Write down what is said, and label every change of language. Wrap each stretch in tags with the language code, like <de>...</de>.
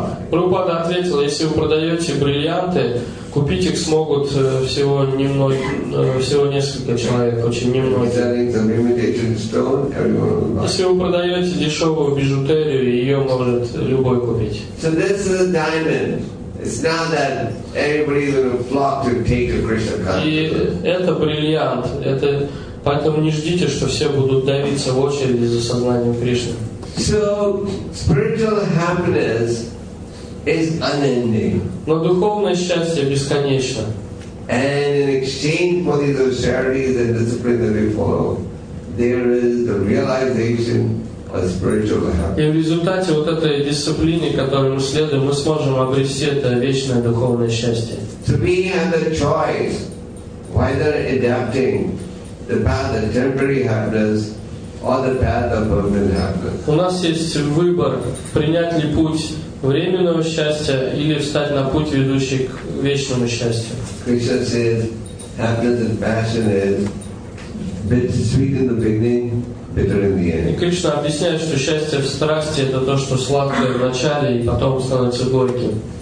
<ru>Прабхупада ответил, если вы продаете бриллианты, купить их смогут всего несколько человек, очень немногие. Если вы продаете дешевую бижутерию, ее может любой купить.</ru> <en>So this is a diamond. It's not that everybody will flock to take a Krishna consciousness.</en> <ru>И это бриллиант. Это поэтому не ждите, что все будут давиться в очереди за сознанием Кришны.</ru> <en>So spiritual happiness is unending.</en> <ru>Но духовное счастье бесконечно.</ru> <en>And in exchange for these austerities and discipline that we follow, there is the realization.</en> <ru>И в результате вот этой дисциплины, которую мы следуем, мы сможем обрести это вечное духовное счастье.</ru> <en>So we have the choice whether adapting the path of temporary happiness or the path of permanent happiness.</en> <ru>У нас есть выбор, принять ли путь временного счастья или встать на путь, ведущий к вечному счастью.</ru> <en>Krishna says, happiness and passion is bittersweet in the beginning.</en> <ru>И Кришна объясняет, что счастье в страсти — это то, что сладкое в начале и потом становится горьким.</ru>